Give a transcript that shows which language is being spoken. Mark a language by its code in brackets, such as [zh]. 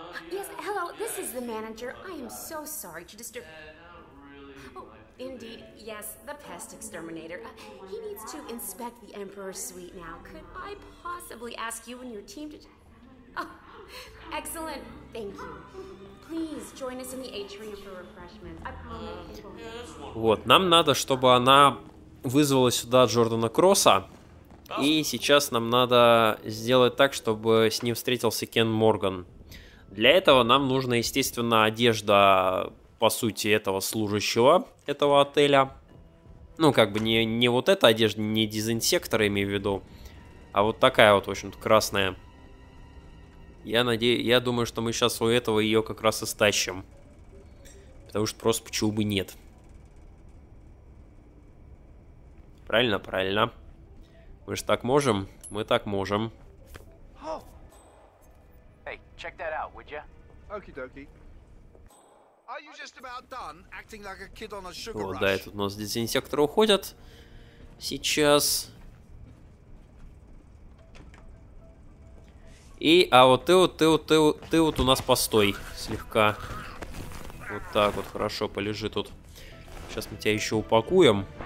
[en] Yes, hello, this is the manager. I am so sorry to disturb... Oh, Indeed, yes, the pest exterminator. He needs to inspect the Emperor's suite now. Could I possibly ask you and your team to... Oh, excellent. Thank you. Please join us in the atrium for refreshments. I promise. [ru] Вот, нам надо, чтобы она вызвала сюда Джордана Кросса. И сейчас нам надо сделать так, чтобы с ним встретился Кен Морган. Для этого нам нужна, естественно, одежда, по сути, этого служащего, этого отеля. Ну, как бы не вот эта одежда, не дезинсектор, имею в виду, а вот такая вот, в общем-то, красная. Я думаю, что мы сейчас у этого ее как раз и стащим. Потому что просто почему бы нет. Правильно, правильно. Мы же так можем, мы так можем. [en] Check that out, would ya? Okie dokie. Are you just about done acting like a kid on a sugar rush? [ru] О, да, тут у нас дезинсекторы уходят. Сейчас. И, а вот ты вот у нас постой. Слегка. Вот так вот, хорошо, полежи тут. Сейчас мы тебя еще упакуем.